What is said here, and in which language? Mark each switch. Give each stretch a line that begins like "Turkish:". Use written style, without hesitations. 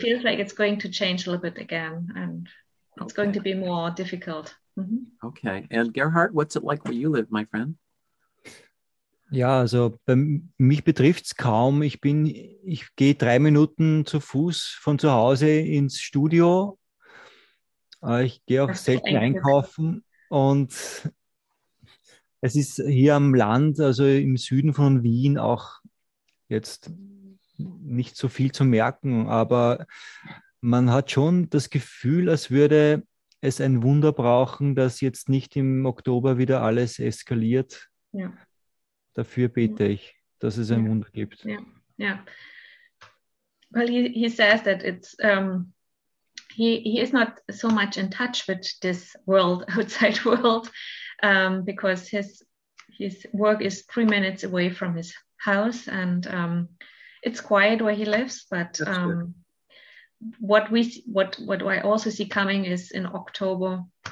English: Feels like it's going to change a little bit again, and it's okay. Going to be more difficult. Mm-hmm. Okay, and Gerhard, what's it like where you live, my friend?
German: Ja, also mich betrifft es kaum. Ich gehe 3 Minuten zu Fuß von zu Hause ins Studio. Ich gehe auch selten einkaufen und es ist hier am Land, also im Süden von Wien, auch jetzt nicht so viel zu merken, aber man hat schon das Gefühl, als würde es ein Wunder brauchen, dass jetzt nicht im Oktober wieder alles eskaliert. Ja. Dafür bete ich, dass es ein Wunder gibt.
English: Ja. Well, he says that it's... He is not so much in touch with this world, outside world, because his work is 3 minutes away from his house, and it's quiet where he lives. But what I also see coming is in October.